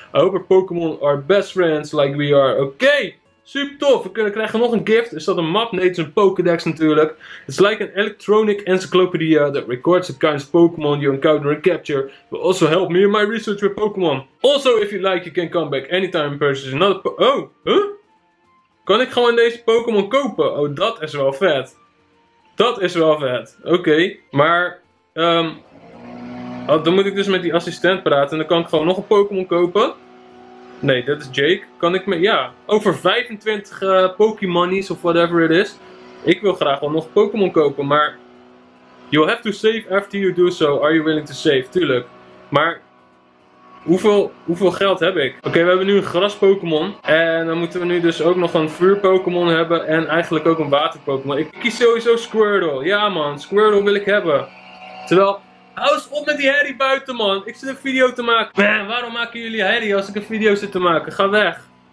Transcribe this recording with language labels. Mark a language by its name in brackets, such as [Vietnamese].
[English] I hope our Pokémon are best friends like we are. [Dutch] Oké. Super tof. We kunnen krijgen nog een gift. Is dat een map? Nee, het is een Pokédex natuurlijk. [English] It's like an electronic encyclopedia that records the kinds of Pokémon you encounter and capture. Will also help me in my research with Pokémon. Also, if you like, you can come back anytime and purchase another Oh, huh? [Dutch] Kan ik gewoon deze Pokémon kopen? Oh, dat is wel vet. Dat is wel vet. Oké. Maar, dan moet ik dus met die assistent praten. En dan kan ik gewoon nog een Pokémon kopen. Nee, dat is Jake. Kan ik me... [English] Ja, over 25 Pokémonies of whatever it is. [Dutch] Ik wil graag wel nog Pokémon kopen, maar... [English] You'll have to save after you do so. Are you willing to save? [Dutch] Tuurlijk. Maar... Hoeveel geld heb ik? Oké, we hebben nu een gras-Pokémon. En dan moeten we nu dus ook nog een vuur-Pokémon hebben. En eigenlijk ook een water-Pokémon. Ik kies sowieso Squirtle. Ja man, Squirtle wil ik hebben. Terwijl... Hou eens op met die herrie buiten, man. Ik zit een video te maken. Man, waarom maken jullie herrie als ik een video zit te maken? Ga weg.